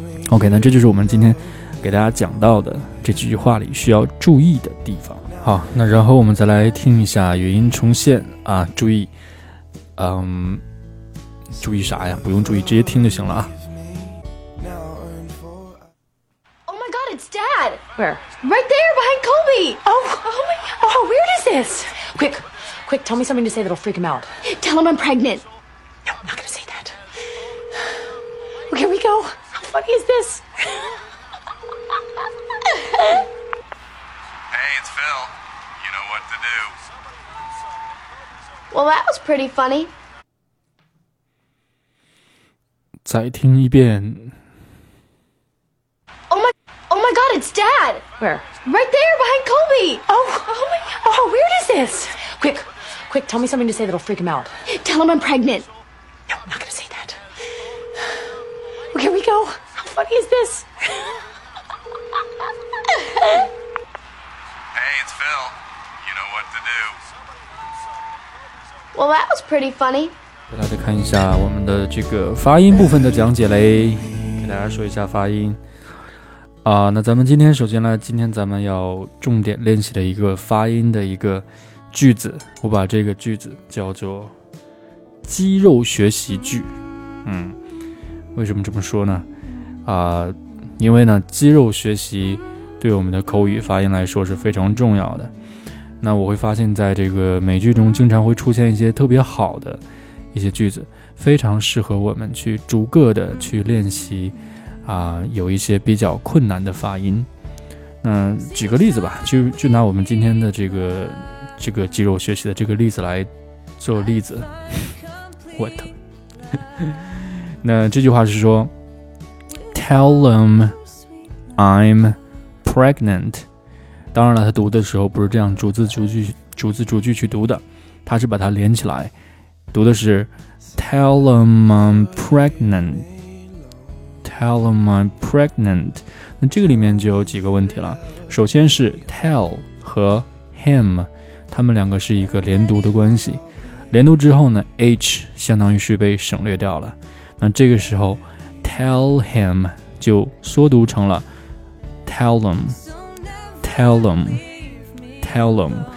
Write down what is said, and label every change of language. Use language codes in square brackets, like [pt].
[zh] OK， 那这就是我们今天给大家讲到的这几句话里需要注意的地方。好，那然后我们再来听一下语音重现啊，注意注意啥呀，不用注意，直接听就行了啊。 [en] Dad! Where? Right there, behind Colby! Oh, how weird is this? Quick, tell me something to say that'll freak him out. Tell him I'm pregnant. No, I'm not gonna say that. Well, here we go. How funny is this? Hey, it's Phil. You know what to do. Well, that was pretty funny. [zh] 再听一遍。 [en] Oh my god, it's Dad. Where? Right there, behind Colby. Oh, my God. Oh, how weird is this? Quick, tell me something to say that'll freak him out. Tell him I'm pregnant. No, I'm not gonna say that. Well, here we go. How funny is this? Hey, it's Phil. You know what to do. Well, that was pretty funny. [zh] 给大家看一下我们的这个发音部分的讲解嘞，给大家说一下发音啊。那咱们今天首先呢，今天咱们要重点练习的一个发音的一个句子，我把这个句子叫做肌肉学习句。嗯，为什么这么说呢？啊，因为呢，肌肉学习对我们的口语发音来说是非常重要的。那我会发现在这个美剧中经常会出现一些特别好的一些句子，非常适合我们去逐个的去练习啊，有一些比较困难的发音。那举个例子吧，就拿我们今天的这个肌肉学习的这个例子来做例子。 [en] What? [zh] 那这句话是说 [en] Tell them I'm pregnant。 [zh] 当然了，他读的时候不是这样逐字逐句去读的，他是把它连起来读的是 [en] Tell them I'm pregnant, Tell them I'm pregnant。 [zh] 那这个里面就有几个问题了。首先是 Tell 和 Him， 他们两个是一个连读的关系，连读之后呢 H 相当于是被省略掉了，那这个时候 Tell him 就缩读成了 [en] Tell them, Tell them, Tell them。